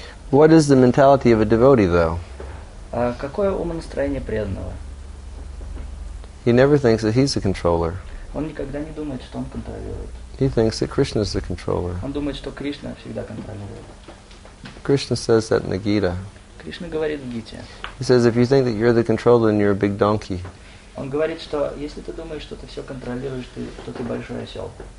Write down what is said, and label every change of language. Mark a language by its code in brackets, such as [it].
[en] What is the mentality of a devotee, though? [ru] Какое умонастроение преданного? [en] He never thinks that he's the controller. [ru] Он никогда не думает, что он контролирует. [en] He thinks that Krishna is the controller. [ru] Он думает, что Кришна всегда контролирует. [en] Krishna says that in the Gita. [ru] Кришна говорит в Гите. [en] He says, if you think that you're the controller, then you're a big donkey. [ru] Он говорит, что если ты думаешь, что ты все контролируешь, то ты большой осел.